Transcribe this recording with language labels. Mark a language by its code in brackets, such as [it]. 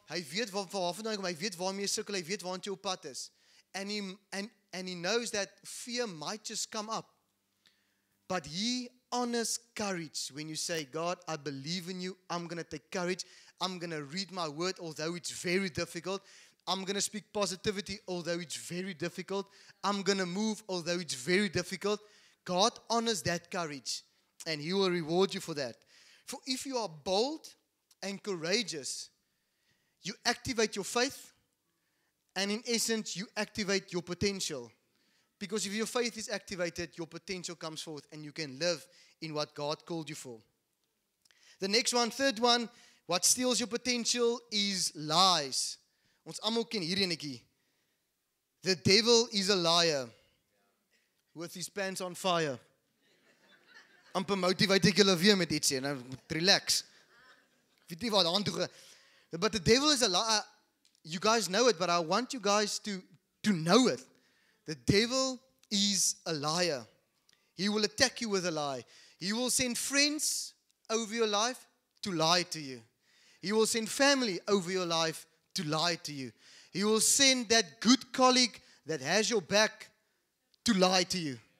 [af] Hy weet waarmee jy sukkel. Hy weet waant jy op pad is. [en] And he knows that fear might just come up. But He honors courage when you say, God, I believe in you. I'm going to take courage. I'm going to read my word, although it's very difficult. I'm going to speak positivity, although it's very difficult. I'm going to move, although it's very difficult. God honors that courage. And He will reward you for that. For if you are bold and courageous, you activate your faith, and in essence, you activate your potential. Because if your faith is activated, your potential comes forth, and you can live in what God called you for. The next one, third one, what steals your potential is lies. [af] Ons almal ken hierdie netjie. [en] The devil is a liar with his pants on fire. [af] Amper motivate ek julle weer met ietsie, nou moet relax. [en] But the devil is a liar. You guys know it, but I want you guys to know it. The devil is a liar. He will attack you with a lie. He will send friends over your life to lie to you. He will send family over your life to lie to you. He will send that good colleague that has your back to lie to you.